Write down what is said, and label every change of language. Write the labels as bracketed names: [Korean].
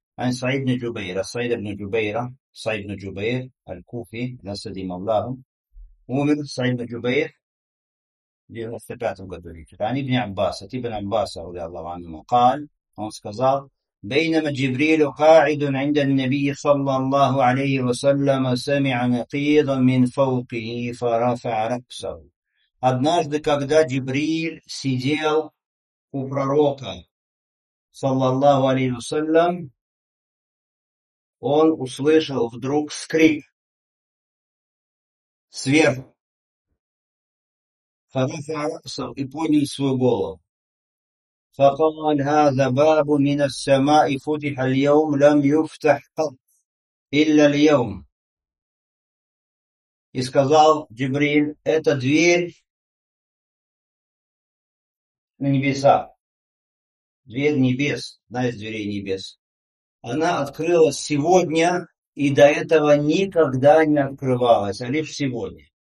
[Arabic] عن سعيد بن جبير، سعيد بن جبير، سعيد بن جبير الكوفي، نسديم الله، [Russian] умер [Arabic] سعيد بن جبير في 95 году هجرة. عن ابن عباس، ابن عباس رضي الله عنه قال، [Russian] он сказал: [Arabic] بينما جبريل قاعد عند النبي صلى الله عليه وسلم سمع نقيضا من فوقه فرفع رأسه. [Russian] Однажды, когда Джибриль сидел у пророка, саллаллаху алейхи вассалям, он услышал вдруг скрип сверху. [Arabic] فَرَفَعَ رَأْسَهُ [Russian] и поднял свою голову. [Arabic] فقال هذا باب من السماء فتح اليوم لم يفتح قط إلا اليوم. [Russian] И сказал Джибриль: это дверь на небеса. Дверь небес, одна из дверей небес. Она открылась сегодня и до этого никогда не открывалась, а лишь сегодня.